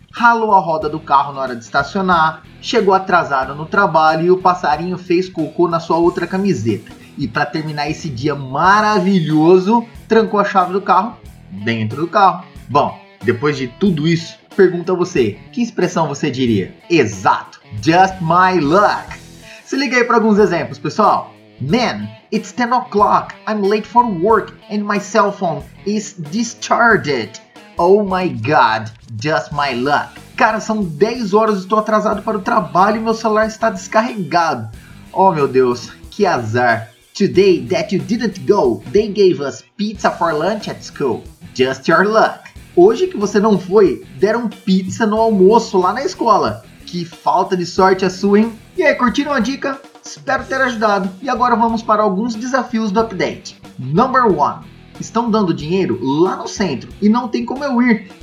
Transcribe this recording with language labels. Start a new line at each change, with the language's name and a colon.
Portuguese: Ralou a roda do carro na hora de estacionar, chegou atrasado no trabalho e o passarinho fez cocô na sua outra camiseta. E para terminar esse dia maravilhoso, trancou a chave do carro dentro do carro. Bom, depois de tudo isso, pergunto a você, que expressão você diria? Exato, just my luck! Se liga aí para alguns exemplos, pessoal.
English: Man, it's 10 o'clock, I'm late for work, and my cell phone is discharged. Oh my god, just my luck.
Portuguese: Cara, são 10 horas, estou atrasado para o trabalho e meu celular está descarregado. Oh meu Deus, que azar.
English: Today that you didn't go, they gave us pizza for lunch at school. Just your luck.
Portuguese: Hoje que você não foi, deram pizza no almoço lá na escola. Que falta de sorte a sua, hein? E aí, curtiram a dica? Espero ter ajudado. E agora vamos para alguns desafios do update. Number 1. Estão dando dinheiro lá no centro e não tem como eu ir.